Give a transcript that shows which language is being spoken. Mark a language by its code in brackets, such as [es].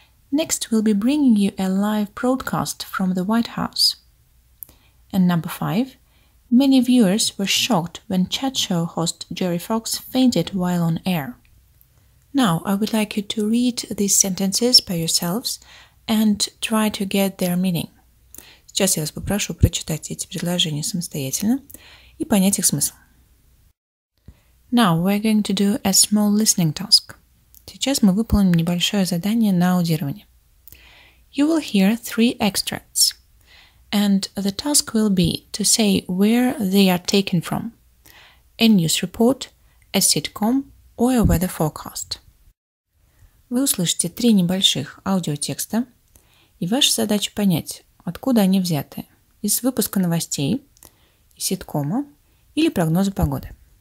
[en] Next, we'll be bringing you a live broadcast from the White House. And number five, many viewers were shocked when chat show host Jerry Fox fainted while on air. Now, I would like you to read these sentences by yourselves and try to get their meaning. [ru] Сейчас я вас попрошу прочитать эти предложения самостоятельно и понять их смысл. [en] Now, we're going to do a small listening task. [ru] Сейчас мы выполним небольшое задание на аудирование. [en] You will hear three extracts, and the task will be to say where they are taken from, a news report, a sitcom, or a weather forecast. [ru] Вы услышите три небольших аудиотекста, и ваша задача понять, откуда они взяты, из выпуска новостей, из ситкома или прогноза погоды.